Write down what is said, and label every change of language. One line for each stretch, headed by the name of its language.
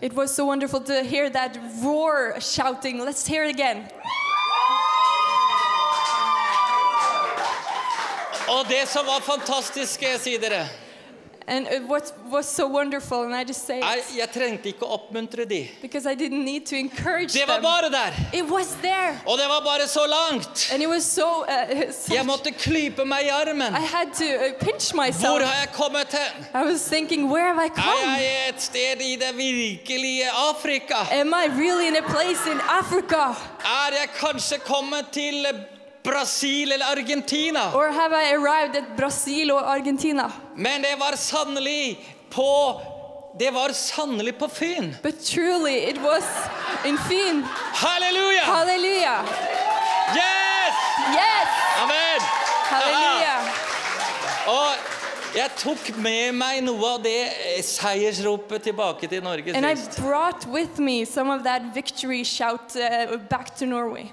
English: It was so wonderful to hear that roar shouting. Let's hear it again.
Norwegian: Og det som var fantastisk, jeg sier dere.
English: And what was so wonderful, and I just say it.
Norwegian: Jeg trengte ikke å oppmuntre de.
English: Because I didn't need to encourage
Norwegian: them. Det var bare der.
English: It was there.
Norwegian: Og det var bare så langt.
English: And it was so...
Norwegian: Jeg måtte klype meg I armen.
English: I had to pinch myself.
Norwegian: Hvor har jeg kommet hen?
English: I was thinking, where have I come?
Norwegian: Jeg et sted I det virkelige Afrika.
English: Am I really in a place in Africa?
Norwegian: Jeg kanskje kommet til... Brasil eller Argentina?
English: Or have I arrived at Brasil or Argentina?
Norwegian: Men det var sannelig på det var sannelig på Fyn.
English: But truly it was in Fyn. Halleluja! Halleluja! Yes! Yes! Amen! Halleluja!
Norwegian: Og jeg tok med meg noe av det seiersropet tilbake til Norge sist.
English: And I brought with me some of that victory shout back to Norway.